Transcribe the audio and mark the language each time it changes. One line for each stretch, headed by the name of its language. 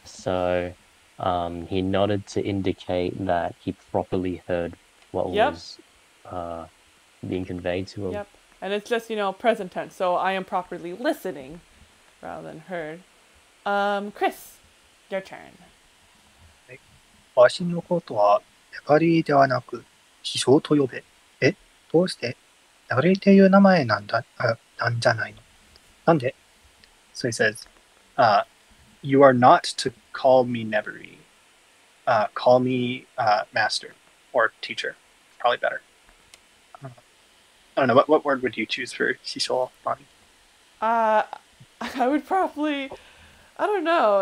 English: So, he nodded to indicate that he properly heard what was being conveyed to him. Yep. And it's just present tense. So I am properly listening, rather than heard. Chris, your turn.
Japanese: わしのことはエバリーではなく師匠と呼べ。え、どうしてエバリーっていう名前なんだ、なんじゃないの。なんで。
English: So he says, you are not to call me Neveri. Call me master or teacher. Probably better. I don't know, what word would you choose for 師匠、Bonnie? I would probably, I don't know.